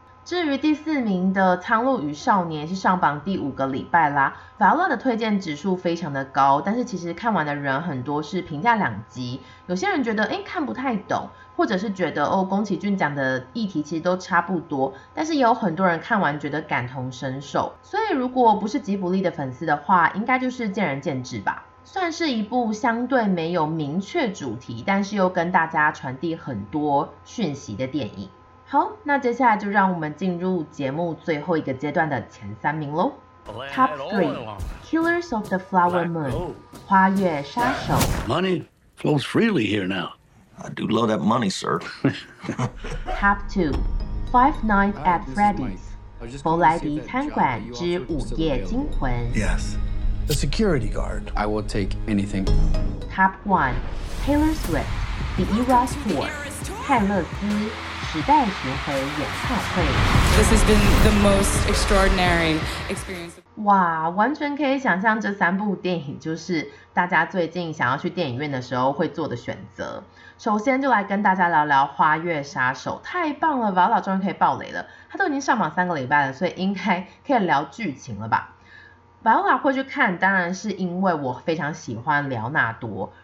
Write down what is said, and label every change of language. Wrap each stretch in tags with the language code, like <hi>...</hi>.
<zh>至于第四名的《苍鹭与少年》是上榜第五个礼拜啦，法乐的推荐指数非常的高，但是其实看完的人很多是评价两极，有些人觉得看不太懂，或者是觉得哦宫崎骏讲的议题其实都差不多，但是也有很多人看完觉得感同身受，所以如果不是吉卜力的粉丝的话，应该就是见仁见智吧。算是一部相对没有明确主题，但是又跟大家传递很多讯息的电影。好，那接下来就让我们进入节目最后一个阶段的前三名咯。 Top 3 Killers of the Flower Moon 花月杀手。</zh> <en>Money flows freely here now. I do love that money, sir.</en> <zh>Top 2 Five Nights at Freddy's 佛莱迪餐馆之午夜惊魂。</zh> <en>Yes, the security guard. I will take anything.</en> <zh>Top 1 Taylor Swift The Eras Tour 泰勒斯时代巡回演唱会。</zh> <en>This has been the most extraordinary experience.</en> <zh>哇，完全可以想象这三部电影就是大家最近想要去电影院的时候会做的选择。首先就来跟大家聊聊《花月杀手》，太棒了 ，Viola 终于可以爆雷了。他都已经上榜三个礼拜了，所以应该可以聊剧情了吧 ？Viola 会去看，当然是因为我非常喜欢莱纳多。</zh>